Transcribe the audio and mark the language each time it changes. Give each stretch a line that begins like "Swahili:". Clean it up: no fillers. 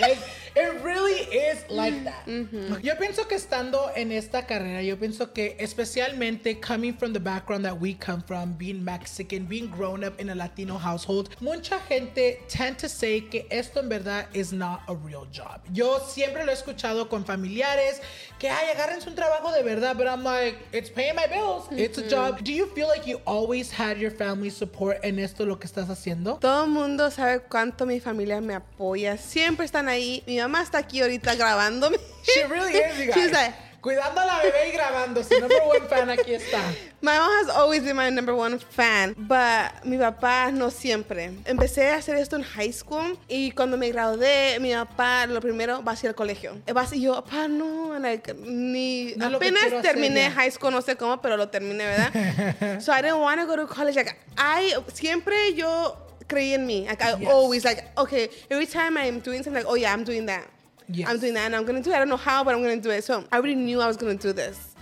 English: Like, it really is like that. Mm-hmm.
Spanish: Yo pienso que estando en esta carrera, yo pienso que
English: especialmente coming from the background that we come from, being Mexican, being grown up in a Latino household,
Spanish: mucha gente
English: tend to say
Spanish: que esto en verdad
English: is not a real job.
Spanish: Yo siempre lo he escuchado con familiares que, ay, agárrense un trabajo de verdad,
English: but I'm like, it's paying my bills. Mm-hmm. It's a job. Do you feel like you always had your family support
Spanish: en esto lo que estás haciendo? Todo el mundo sabe cuánto mi familia me apoya. Siempre están ahí. Mi mamá está aquí ahorita grabándome.
English: She really is, you guys. She's like,
Spanish: cuidando a la bebé y grabando. Su
English: number one fan
Spanish: aquí está.
English: My mom has always been my number one fan, but
Spanish: mi papá no siempre. Empecé a hacer esto en high school, y cuando me gradué, mi papá, lo primero, va a ir al colegio. Va a ser yo, papá, no, like, ni... No apenas terminé high school, no sé cómo, pero lo terminé, ¿verdad?
English: So I didn't want to go to college. Like,
Spanish: siempre yo creí en mí.
English: Like, always, like, okay, every time I'm doing something, like, oh, yeah, I'm doing that. Yes. I'm doing that, and I'm going to do it. I don't know how, but I'm going to do it. So I already knew I was going to do this.